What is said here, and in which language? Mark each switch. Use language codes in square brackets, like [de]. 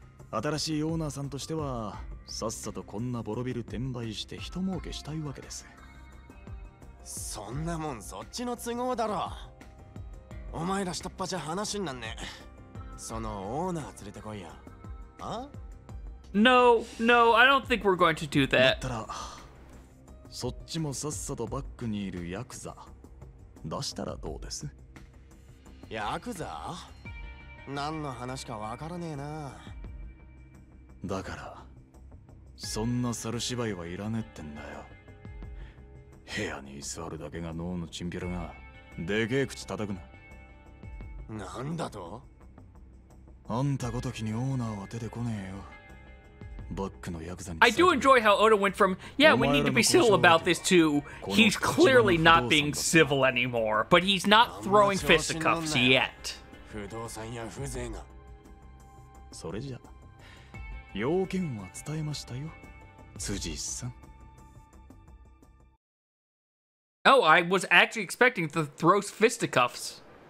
[ja] 新しいオーナーさんとしてはさっさとこんなボロビル転売して一儲けしたいわけです。そんなもんそっちの都合だろ。お前ら下っ端じゃ話になんねえ。そのオーナー連れてこいや。あ [en] No, no, I don't think we're going to do that. [ja] だったらそっちもさっさとバックにいるヤクザ出したらどうです。ヤクザ? 何の話かわからねえな。だからそんな猿芝居はいらねえってんだよ。部屋に居座るだけが脳のチンピラが、でけえ口叩くな。なんだと? あんたごときにオーナーは出てこねえよ。バックのヤクザに。 [en] I do enjoy how Oda went from, yeah, we need to be civil about this to, he's clearly not being civil anymore, but he's not throwing fisticuffs yet. [ja] 不動産や風情が。それじゃ、要件は伝えましたよ、辻さん。 [en] Oh, I was actually expecting to throw fisticuffs.